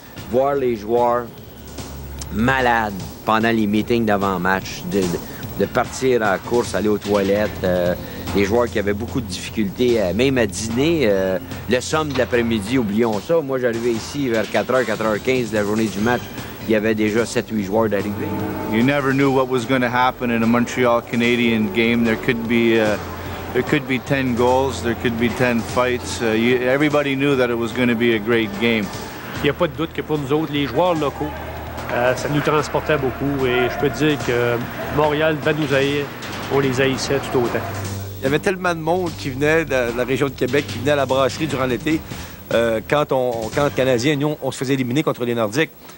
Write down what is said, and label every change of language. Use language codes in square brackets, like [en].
[fr] Voir les joueurs malades pendant les meetings d'avant-match, de partir en course, aller aux toilettes, les joueurs qui avaient beaucoup de difficultés, même à dîner, le somme de l'après-midi, oublions ça. Moi, j'arrivais ici vers 4h, 4h15 de la journée du match, il y avait déjà 7-8 joueurs d'arrivée. [en] You never knew what was going to happen in a Montreal-Canadian game. There could be 10 goals, there could be 10 fights. Everybody knew that it was going to be a great game. [fr] Il n'y a pas de doute que pour nous autres, les joueurs locaux, ça nous transportait beaucoup et je peux te dire que Montréal va nous haïr, on les haïssait tout autant. Il y avait tellement de monde qui venait de la région de Québec, qui venait à la brasserie durant l'été, quand Canadiens, nous, on se faisait éliminer contre les Nordiques.